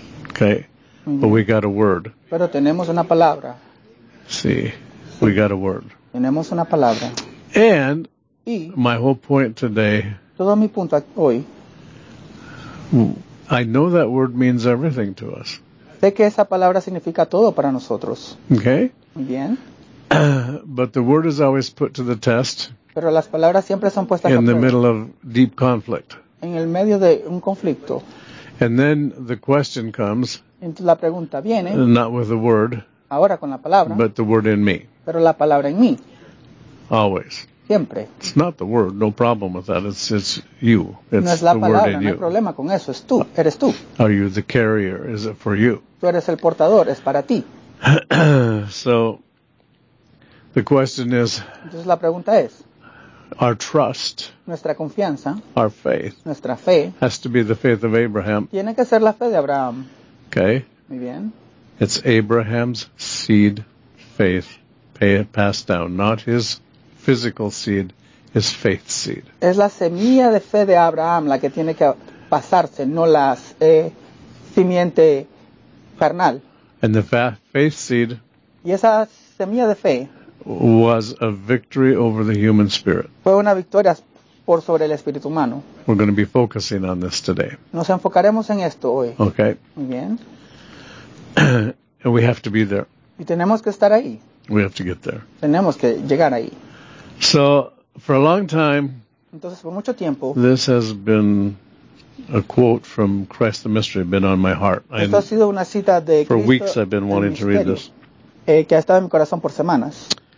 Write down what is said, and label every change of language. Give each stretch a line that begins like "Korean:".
English: Okay. Mm-hmm. But we got a word.
Spanish: Pero tenemos una palabra.
English: Sí. We got a word.
Spanish: Tenemos una palabra.
English: And my whole point today.
Spanish: Todo mi punto hoy.
English: I know that word means everything to us.
Spanish: Sé que esa palabra significa todo para nosotros.
English: Okay.
Spanish: Muy bien.
English: But the word is always put to the test.
Spanish: Pero las palabras siempre son puestas a prueba.
English: In the middle of deep conflict.
Spanish: En el medio de un conflicto.
English: And then the question comes.
Spanish: Entonces la pregunta viene.
English: Not with the word.
Spanish: Ahora con la palabra.
English: But the word in me.
Spanish: Pero la palabra en mí.
English: Always.
Spanish: Siempre.
English: It's not the word, no problem with that. It's you. It's
Spanish: no es la
English: the
Spanish: palabra,
English: word in
Spanish: no
English: you.
Spanish: Hay problema con eso. Es tú, eres tú.
English: Are you the carrier? Is it for you?
Spanish: Tú eres el portador, es para ti.
English: So, the question is.
Spanish: Entonces la pregunta es.
English: Our trust.
Spanish: Nuestra confianza.
English: Our faith.
Spanish: Nuestra fe.
English: Has to be the faith of Abraham.
Spanish: Tiene que ser la fe de Abraham.
English: Okay.
Spanish: Muy bien.
English: It's Abraham's seed faith. Passed down, not his physical seed, his faith seed.
Spanish: Es la semilla de fe de Abraham la que tiene que pasarse, no la simiente carnal.
English: And the faith seed.
Spanish: Y esa semilla de fe.
English: Was a victory over the human spirit.
Spanish: Fue una victoria por sobre el espíritu humano.
English: We're going to be focusing on this today.
Spanish: Nos enfocaremos en esto hoy.
English: Okay.
Spanish: Muy bien.
English: And we have to be there.
Spanish: Y tenemos que estar ahí.
English: We have to get there.
Spanish: Tenemos que llegar ahí.
English: So, for a long time,
Spanish: entonces, por mucho tiempo,
English: this has been a quote from Christ the Mystery, been on my heart.
Spanish: Esto ha sido una cita de Cristo,
English: for weeks I've been wanting to read this.
Spanish: Que ha estado en mi corazón por semanas.